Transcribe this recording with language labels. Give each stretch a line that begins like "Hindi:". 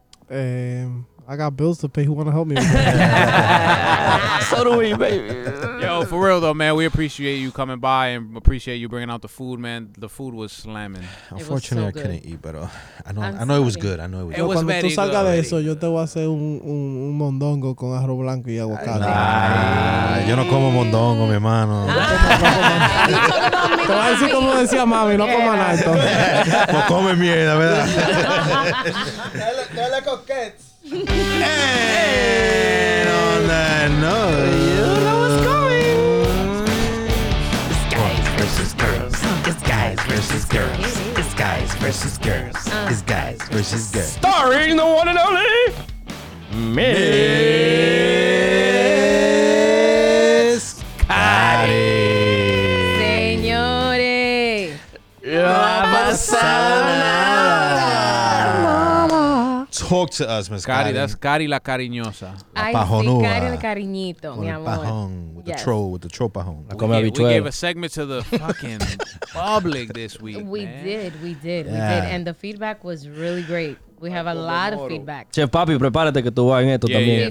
English: I got bills to pay. Who want to help me with that? So do we, baby. Yo, for real, though, man, we appreciate you coming by and appreciate you bringing out the food, man. The food was slamming. Unfortunately, I couldn't eat, but I know it was good. I know it was good.
Spanish: Cuando tú salgas de eso, yo te voy a hacer un mondongo con arroz blanco y aguacate. Nah, yo no como mondongo, mi hermano. Te voy a decir como decía mami, no coma nada entonces. No come mierda, ¿verdad? Dale coquets.
English: Hey, on that note, you know what's going. It's guys versus girls. It's guys versus girls. It's guys versus girls. It's guys versus girls. Starring the one and only Miss Cari.
Spanish: Señores, la pasada.
English: Talk to us, Miss Cari. That's Cari la cariñosa.
Spanish: La pajonua. Cari el cariñito, mi amor.
English: Pajon, with the troll, with the troll pajon. We gave a segment to the fucking public this week, we man. We did. And the feedback was really great. We have a lot of feedback.
Spanish: Chef Papi, prepárate que tú vas en esto también.